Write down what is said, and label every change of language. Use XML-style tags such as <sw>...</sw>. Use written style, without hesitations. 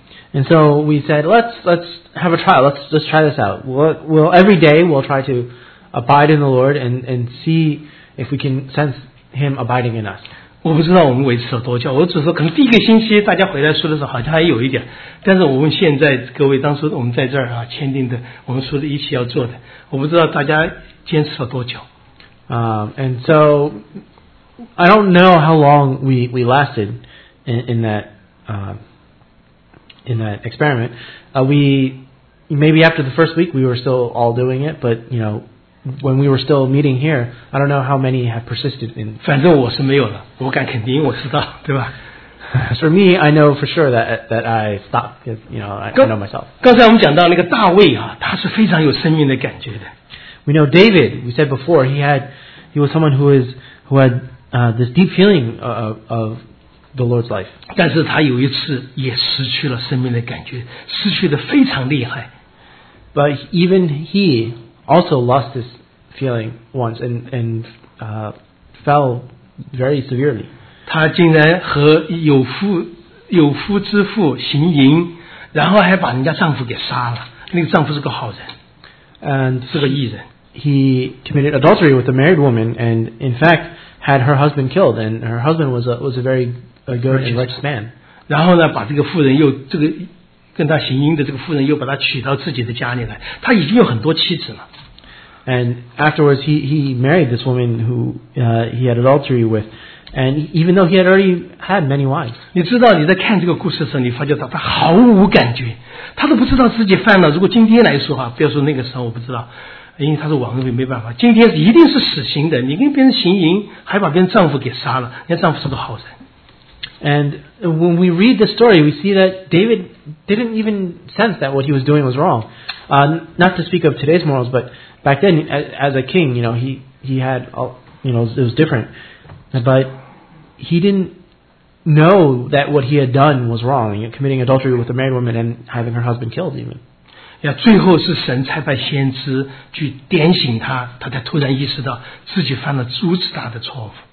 <en>And so we said, let's have a trial. Let's just try this out. We'll every day we'll try to abide in the Lord and see if we can sense Him abiding in us.</en> <zh>我不知道我们维持了多久，我只是说可能第一个星期大家回来说的时候好像还有一点，但是我们现在各位当时我们在这儿啊签订的，我们说的一起要做的，我不知道大家坚持了多久。</zh> <en>And so I don't know how long we lasted in that experiment. Maybe after the first week we were still all doing it, but you know. When we were still meeting here, I don't know how many have persisted in.</en> <zh>反正我是没有了，我敢肯定我知道，对吧</zh> <en>？For me, I know for sure that I stopped because you know I know myself.</en> <zh>刚才我们讲到那个大卫啊，他是非常有生命的感觉的。</zh> <en>We know David. We said before he was someone who had this deep feeling of the Lord's life.</en> <zh>但是他有一次也失去了生命的感觉，失去的非常厉害。</zh> <en>But even he. Also lost this feeling once and fell very severely.</en> <zh>他竟然和有夫之妇行淫，然后还把人家丈夫给杀了。那个丈夫是个好人，</zh> <en>and</en> <zh>是个义人。</zh> <en>He committed adultery with a married woman, and in fact had her husband killed. And her husband was a very a good and righteous man.</en> <zh>然后呢，把这个妇人又这个跟他行淫的这个妇人又把他娶到自己的家里来。他已经有很多妻子了。</zh> <en>And afterwards, he married this woman who he had adultery with, and even though he had already had many wives.</en> <zh>你知道你在看这个故事的时候，你发觉到他毫无感觉，他都不知道自己犯了。如果今天来说啊，不要说那个时候，我不知道。因为他是王位没办法，今天一定是死刑的。你跟别人行淫，还把别人丈夫给杀了，人家丈夫是个好人。</zh> <en>And when we read the story, we see that David didn't even sense that what he was doing was wrong. Not to speak of today's morals, but back then, as a king, you know, he had, all, you know, it was different. But he didn't know that what he had done was wrong, you know, committing adultery with a married woman and having her husband killed, even.</en> <zh>要最后是神差派先知去点醒他，他才突然意识到自己犯了如此大的错误。</zh>